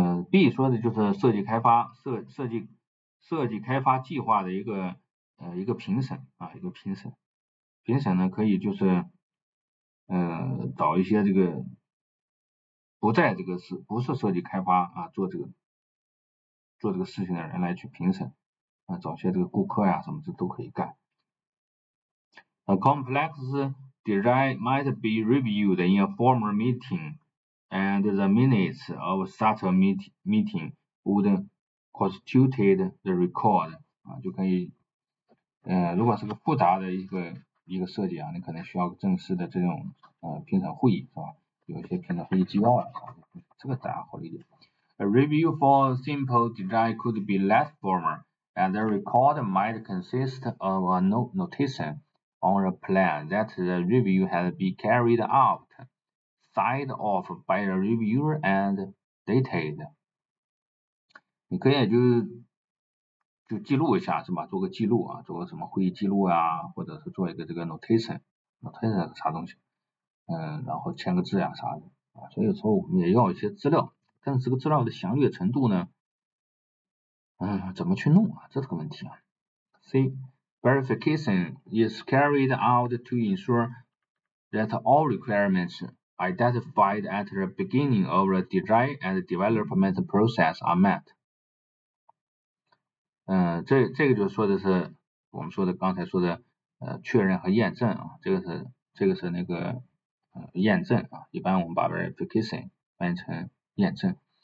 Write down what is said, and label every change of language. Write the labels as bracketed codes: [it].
[zh] B 说的就是设计开发设计开发计划的一个评审啊，一个评审。评审呢可以就是找一些这个不在这个是不是设计开发啊做这个事情的人来去评审啊，找些这个顾客呀什么的都可以干。 [en] A complex design might be reviewed in a formal meeting, and the minutes of such a meeting would constitute the record. [zh] 啊，就可以，如果是个复杂的一个设计啊，你可能需要正式的这种评审会议是吧？有一些评审会议纪要啊，这个大家好理解。 [en] A review for simple design could be less formal, and the record might consist of a notation. On a plan that the review has been carried out, signed off by a reviewer and dated. [zh] 你可以就记录一下是吧？做个记录啊，做个什么会议记录啊，或者是做一个这个 notation 是啥东西？然后签个字呀、啥的啊。所以有时候我们也要一些资料，但是这个资料的详略程度呢，怎么去弄啊？这是个问题啊。C. [en] Verification is carried out to ensure that all requirements identified at the beginning of the design and development process are met. [zh] 这个就说的是我们说的刚才说的确认和验证啊，这个是那个验证啊，一般我们把 verification 翻译成验证。